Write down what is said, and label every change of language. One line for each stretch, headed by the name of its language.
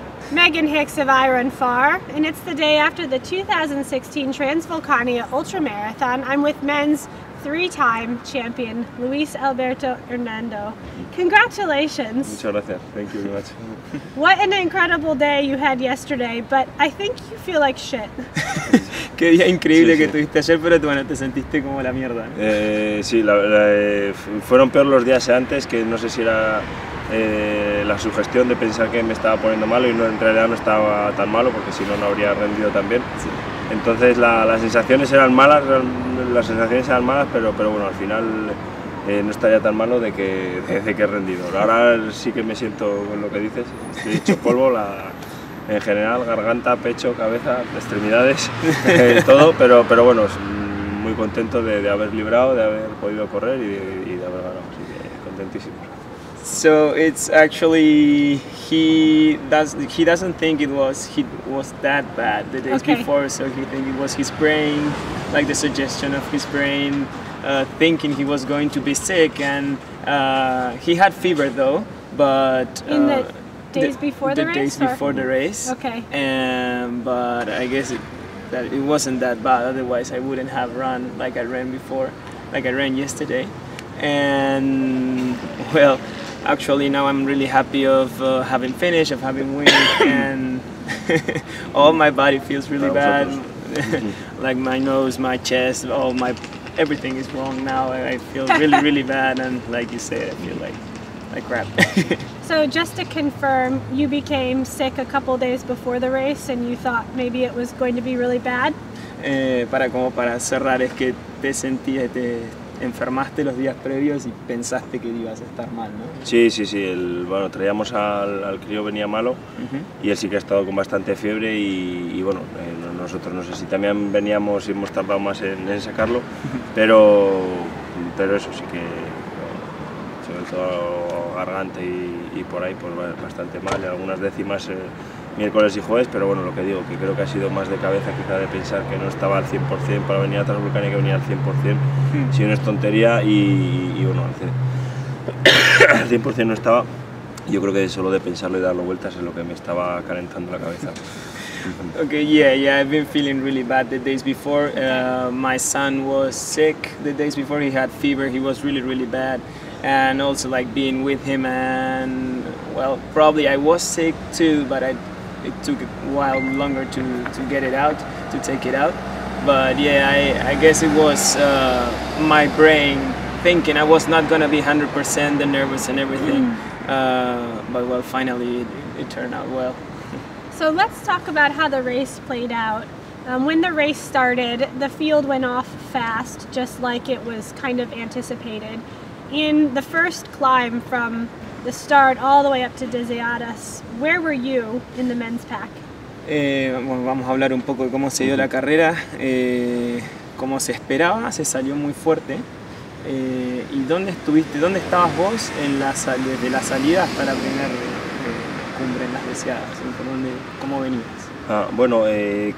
English: Megan Hicks of Iron Far, and it's the day after the 2016 Transvulcania Ultramarathon. I'm with men's three-time champion, Luis Alberto Hernando. Congratulations. Thank you very much. What an incredible day you had yesterday, but I think you feel like shit.
Spanish: Qué día increíble que tuviste ayer, pero bueno, te sentiste como la mierda. Sí, fueron peor los días antes, que no sé si era... la sugestión de pensar que me estaba poniendo malo y no, en realidad no estaba tan malo porque si no, no habría rendido tan bien. Sí. Entonces las sensaciones eran malas, pero bueno, al final no estaría tan malo de que he rendido. Ahora sí que me siento con lo que dices, estoy hecho polvo, en general, garganta, pecho, cabeza, extremidades, todo, pero bueno, muy contento de haber librado, de haber podido correr y de haber ganado, así que contentísimo.
English: So it's actually he doesn't think it was that bad the days before, so he think it was his brain, like the suggestion of his brain, thinking he was going to be sick, and he had fever though, but in the days before the race. Okay. But I guess it wasn't that bad, otherwise I wouldn't have run like I ran yesterday. And well, actually, now I'm really happy of having finished, of having win, and all my body feels really bad. Like my nose, my chest, everything is wrong now. I feel really, really bad, and like you said, I feel like crap. So just to confirm, you became sick a couple days before the race, and you thought maybe it was going to be really bad?
Spanish: Para cerrar, es que te sentías de... enfermaste los días previos y pensaste que ibas a estar mal, ¿no? Sí. Traíamos al crío, venía malo, y él sí que ha estado con bastante fiebre y bueno, nosotros no sé si también veníamos y hemos tardado más en sacarlo, pero eso sí que, sobre todo garganta y por ahí, pues bastante mal, algunas décimas miércoles y jueves, pero bueno, lo que digo, que creo que ha sido más de cabeza quizá de pensar que no estaba al 100% para venir a Transvulcania, que venía al 100%, si no es tontería, y bueno, al 100% no estaba, yo creo que solo de pensarlo y darlo vueltas es lo que me estaba calentando la cabeza.
English: Okay, yeah, I've been feeling really bad the days before. My son was sick the days before, he had fever, he was really, really bad. And also like being with him, and well, probably I was sick too, but it took a while longer to get it out, to take it out. But yeah, I guess it was my brain thinking I was not gonna be 100%, the nervous and everything. But well, finally it turned out well. So let's talk about how the race played out. When the race started, the field went off fast, just like it was kind of anticipated. In the first climb from the start all the way up to Deseadas, where were you in the men's pack?
Spanish: Vamos a hablar un poco de cómo se dio la carrera. Como se esperaba, se salió muy fuerte. ¿Y dónde estuviste? ¿Dónde estabas vos desde la salida hasta la primera cumbre en las Deseadas? ¿Cómo venías?